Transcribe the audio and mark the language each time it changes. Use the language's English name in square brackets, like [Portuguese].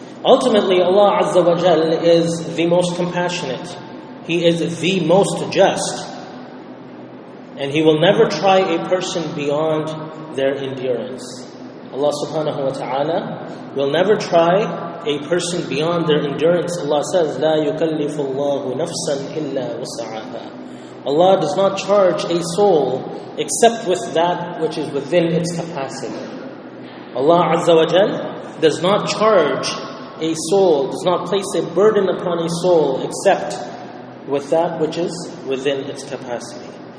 [English] Ultimately, Allah Azza wa Jal is the most compassionate. He is the most just. And He will never try a person beyond their endurance. Allah subhanahu wa ta'ala will never try a person beyond their endurance. Allah says, [Arabic] لا يكلف الله نفسا إلا وسعها. [English] Allah does not charge a soul except with that which is within its capacity. Allah Azza wa Jal does not charge a soul, does not place a burden upon a soul except with that which is within its capacity.